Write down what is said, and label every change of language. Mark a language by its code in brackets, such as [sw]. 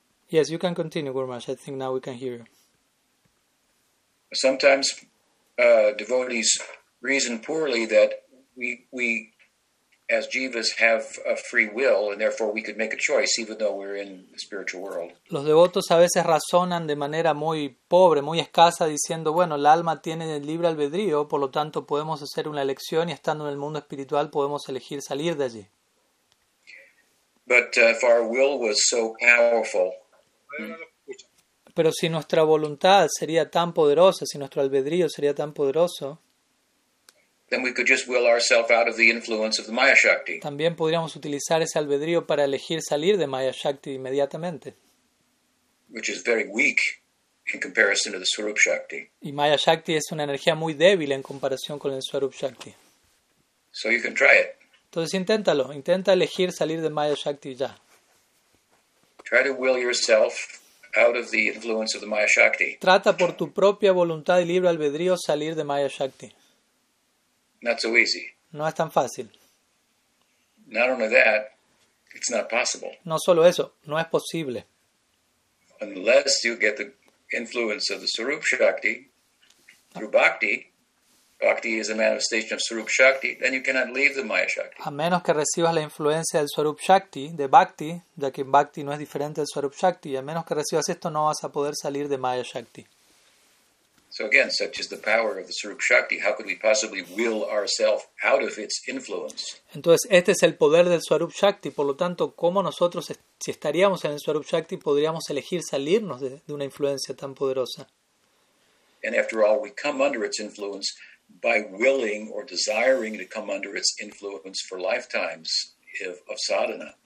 [en] Yes, you can continue, Guru Maharaj. I think now we can hear you. Sometimes devotees reason poorly that we as jivas have a free will and therefore we could make a choice even though we're in the spiritual world. [es] Los devotos a veces razonan de manera muy pobre, muy escasa, diciendo, bueno, el alma tiene el libre albedrío, por lo tanto podemos hacer una elección y estando en el mundo espiritual podemos elegir salir de allí. [en] But if our will was so powerful. [es] Pero si nuestra voluntad sería tan poderosa, si nuestro albedrío sería tan poderoso, [en] then we could just will ourselves out of the influence of the Maya Shakti. [es] También podríamos utilizar ese albedrío para elegir salir de Maya Shakti inmediatamente. [en] Which is very weak in comparison to the Swarup Shakti. [es] Y Maya Shakti es una energía muy débil en comparación con el Swarup Shakti. [en] So you can try it. [es] Entonces inténtalo, intenta elegir salir de Maya Shakti ya. [en] Try to will yourself out of the influence of the Maya Shakti. [es] Trata por tu propia voluntad y libre albedrío salir de Maya Shakti. [en] Not so easy. [es] No es tan fácil. [en] Not only that, it's not possible. [es] No solo eso, no es posible. [en] Unless you get the influence of the Swarup Shakti through bhakti. Bhakti is a manifestation of Swarup Shakti, then you cannot leave the Maya Shakti. [es] A menos que recibas la influencia del Swarup Shakti, de Bhakti, ya que Bhakti no es diferente del Swarup Shakti, y a menos que recibas esto, no vas a poder salir de Maya Shakti. [en] So again, such is the power of the Swarup Shakti. How could we possibly will ourselves out of its influence? [es] Entonces, este es el poder del Swarup Shakti. Por lo tanto, ¿cómo nosotros, si estaríamos en el Swarup Shakti, podríamos elegir salirnos de una influencia tan poderosa? [en] And after all, we come under its influence by willing or desiring to come under its influence for lifetimes of sadhana.